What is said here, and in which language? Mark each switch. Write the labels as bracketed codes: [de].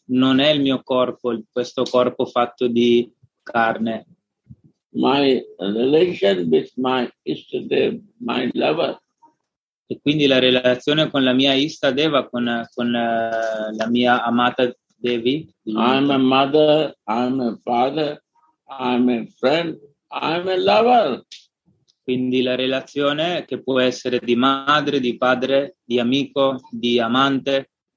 [it] Non è il mio corpo, questo corpo fatto di carne. [en] My relation with my Ishtadev, my lover. [it] E quindi la relazione con la mia Ishtadeva, con la mia amata Devi. [en] I'm a mother, I'm a father, I'm a friend, I'm a lover. [it] Quindi la relazione che può essere di madre, di padre, di amico, di amante.